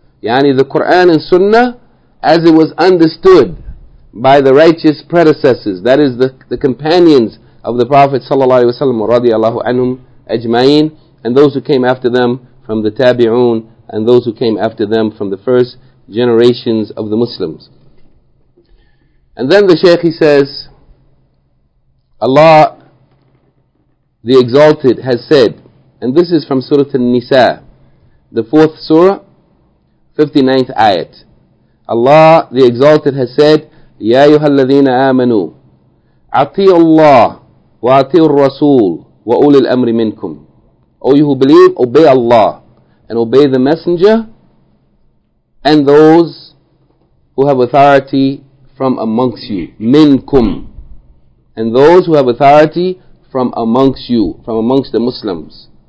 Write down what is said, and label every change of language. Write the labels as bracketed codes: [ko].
[en] Yani the Quran and Sunnah, as it was understood by the righteous predecessors, that is the companions of the Prophet sallallahu alaihi wasallam [ar] wa radiyallahu anhum ajma'in, [en] and those who came after them from the Tabi'un, and those who came after them from the first generations of the Muslims. And then the Shaykh, he says, Allah the Exalted has said, and this is from Surah An-Nisa, the fourth surah, 59th ayat. Allah the Exalted has said, [ar] يَا أَيُّهَا الَّذِينَ آمَنُوا أَطِيعُوا اللَّهَ وَأَطِيعُوا الرَّسُولَ وَأُولِي الْأَمْرِ مِنْكُمْ. [en] O you who believe, obey Allah and obey the Messenger and those who have authority from amongst you. Minkum. and those who have authority from amongst you, from amongst the Muslims.